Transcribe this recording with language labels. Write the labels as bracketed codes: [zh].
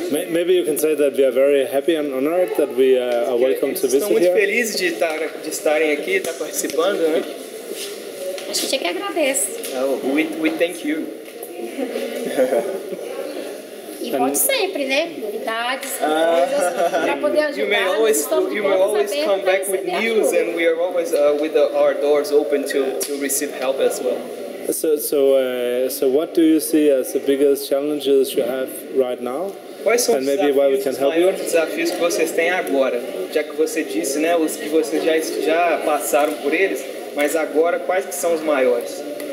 [en] Maybe you can say that we are very happy and honored that we are welcome to visit here. [pt] Estão muito felizes de estarem aqui, estar participando, né? A gente é que agradece. [en] Oh, we thank you. [pt] E volte sempre, né? Novidades, para poder ajudar. [en] You may always, come back with news, and we are always with our doors open to receive help as well. So what do you see as the biggest challenges you have right now? [pt] Quais são os maiores desafios que vocês têm agora? Já que você disse, né, os que vocês já passaram por eles, mas agora quais que são os maiores?